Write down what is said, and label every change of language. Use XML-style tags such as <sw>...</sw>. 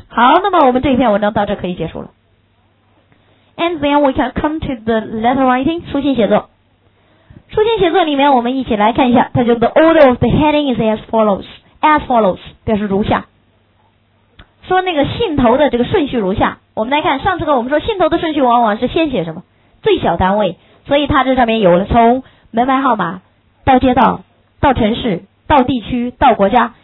<zh>好，那么我们这一篇文章到这可以结束了。</zh> <en>And then we can come to the letter writing,</en> <zh>书信写作。书信写作里面我们一起来看一下，它叫</zh> <en>the order of the heading is as follows,</en> <zh>表示如下，说那个信头的这个顺序如下，我们来看上这个，我们说线头的顺序往往是先写什么最小单位，所以它这上面有了从门牌号码到街道到城市到地区到国家。</zh>